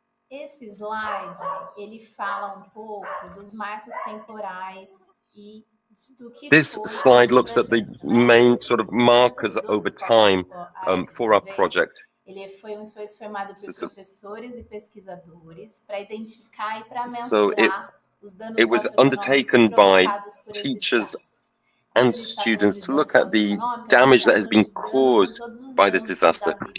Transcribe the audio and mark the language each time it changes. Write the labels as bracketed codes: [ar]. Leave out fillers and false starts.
[pt] Esse slide ele fala pouco dos marcos temporais e do que [en] this slide looks at the main sort of markers over time for our project. [pt] Ele foi um esforço formado por professores e pesquisadores para identificar e para mensurar [en] It was undertaken by teachers and students to look at the damage that has been caused by the disaster.